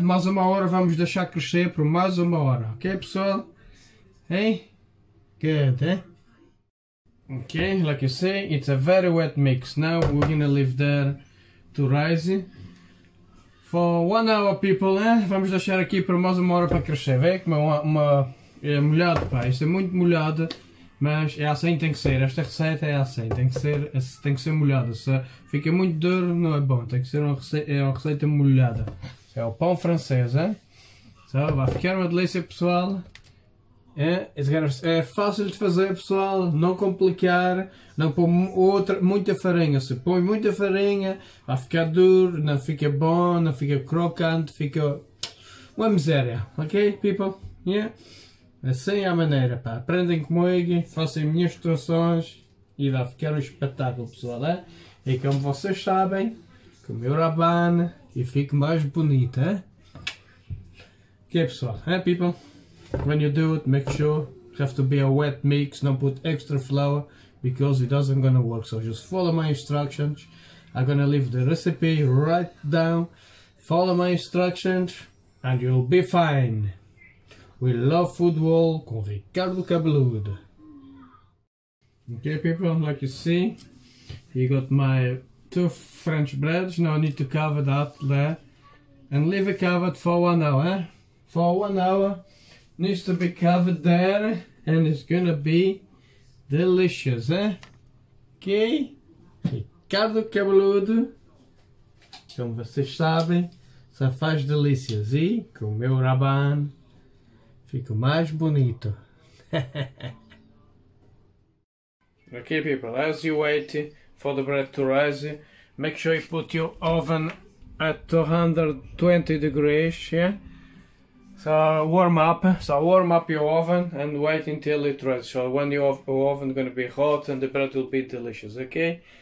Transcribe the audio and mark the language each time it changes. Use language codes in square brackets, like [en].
[pt] Mais uma hora, vamos deixar crescer por mais uma hora, okay, pessoal? [en] Hey, good, eh? Okay, like you see, it's a very wet mix. Now we're gonna leave there to rise for 1 hour, people, eh? [pt] Vamos deixar aqui por mais uma hora para crescer. Vê como é molhado, pá. Isto é muito molhado, mas é assim que tem que ser. Esta receita é assim, tem que ser molhada. Se fica muito duro, não é bom. Tem que ser uma receita molhada. É o pão francês, eh? So, vai ficar uma delícia, pessoal. É fácil de fazer, pessoal, não complicar, não pôr muita farinha. Se põe muita farinha, vai ficar duro, não fica bom, não fica crocante, fica uma miséria, ok, [en] people? Yeah? [pt] Assim é a maneira, pá. Aprendem comigo, façam minhas instruções e vai ficar um espetáculo, pessoal, é? E como vocês sabem, com o meu rabano e fico mais bonito, é? Ok, pessoal, é, [en] people? When you do it, make sure it has to be a wet mix, don't put extra flour because it doesn't gonna work. So just follow my instructions. I'm gonna leave the recipe right down. Follow my instructions and you'll be fine. We love food wall com Ricardo Cabeludo. Okay, people, like you see, you got my two French breads. Now I need to cover that there and leave it covered for 1 hour. Eh? For 1 hour. Needs to be covered there and it's gonna be delicious, eh? Okay? [pt] Ricardo Cabeludo, como vocês sabem, só faz delícias e com o meu raban fico mais bonito. [en] Okay, people, as you wait for the bread to rise, make sure you put your oven at 220 degrees, yeah? So warm up your oven and wait until it rises. So when your oven is going to be hot and the bread will be delicious, okay?